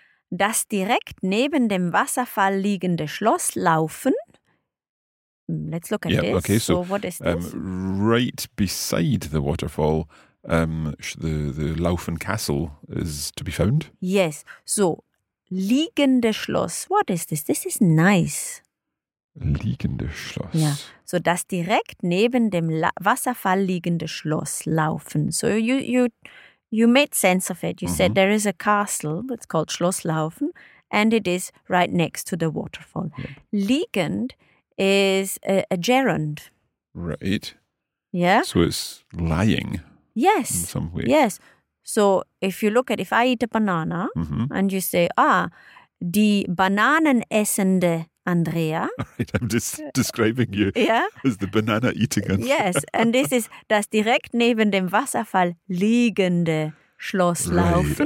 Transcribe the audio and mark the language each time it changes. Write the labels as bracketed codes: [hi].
[de] Das direkt neben dem Wasserfall liegende Schloss Laufen. [en] Let's look at this. Okay, so what is this? Right beside the waterfall, the Laufen Castle is to be found. Yes. So, liegende Schloss. What is this? This is nice. [de] Liegende Schloss. [en] Yeah. [de] So, das direkt neben dem Wasserfall liegende Schloss Laufen. So, you [en] you made sense of it. You said there is a castle, it's called Schloss Laufen, and it is right next to the waterfall. Yep. Liegend is a gerund. Right. Yeah. So it's lying. Yes. In some way. Yes. So if you look at, if I eat a banana and you say, ah, [de] die Bananen essende Andrea. [en] Right, I'm just describing you as the banana eating Andrea. Yes, and this is [de] das direkt neben dem Wasserfall liegende Schloss Laufen.